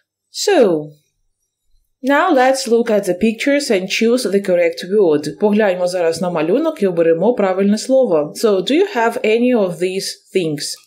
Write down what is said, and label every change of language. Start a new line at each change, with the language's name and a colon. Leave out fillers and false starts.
English: So, now let's look at the pictures and choose the correct word.
Ukrainian: Погляньмо зараз на малюнок і оберемо правильне слово.
English: So, do you have any of these things?